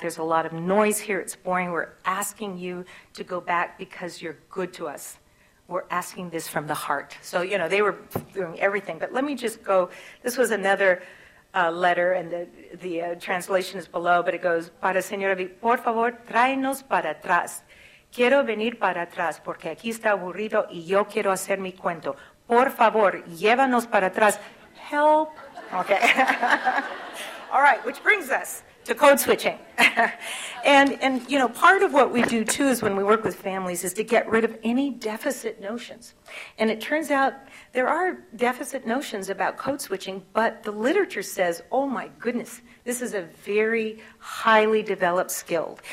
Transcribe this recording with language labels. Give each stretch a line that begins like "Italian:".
English: There's a lot of noise here. It's boring. We're asking you to go back because you're good to us. We're asking this from the heart." So, you know, they were doing everything. But let me just go. This was another letter, and the translation is below, but it goes,
Spanish: "Para señora, por favor, tráenos para atrás. Quiero venir para atrás porque aquí está aburrido y yo quiero hacer mi cuento. Por favor, llévanos para atrás.
English: Help. Okay. All right, which brings us to code switching. And you know, part of what we do too is when we work with families is to get rid of any deficit notions. And it turns out there are deficit notions about code switching, but the literature says, oh my goodness, this is a very highly developed skill.